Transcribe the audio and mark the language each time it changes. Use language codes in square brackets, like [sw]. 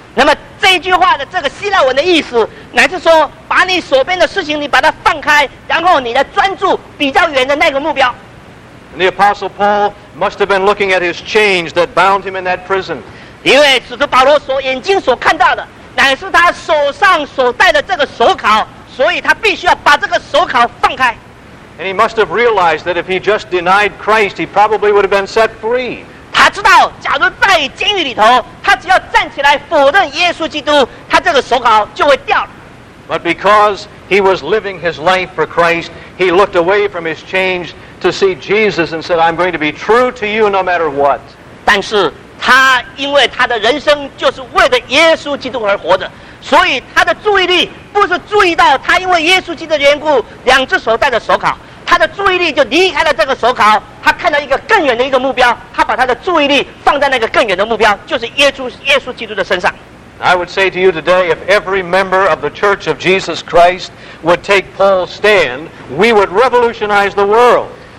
[zh] 那么这一句话的这个希腊文的意思，乃是说把你手边的事情你把它放开，然后你来专注比较远的那个目标。 [en] And the Apostle Paul must have been looking at his chains that bound him in that prison. [zh] 因为使徒保罗所眼睛所看到的，乃是他手上所戴的这个手铐，所以他必须要把这个手铐放开。 [en] And he must have realized that if he just denied Christ, he probably would have been set free. [zh] 他知道，假如在监狱里头，他只要站起来否认耶稣基督，他这个手铐就会掉了。 [en] But because he was living his life for Christ, he looked away from his chains to see Jesus and said, I'm going to be true to you no matter what. [zh] 但是他因为他的人生就是为了耶稣基督而活着，所以他的注意力不是注意到他因为耶稣基督的缘故两只手戴着手铐，他的注意力就离开了这个手铐，他看到一个更远的一个目标，他把他的注意力放在那个更远的目标，就是耶稣基督的身上。 [en] I would say to you today, if every member of the Church of Jesus Christ would take Paul's stand, we would revolutionize the world.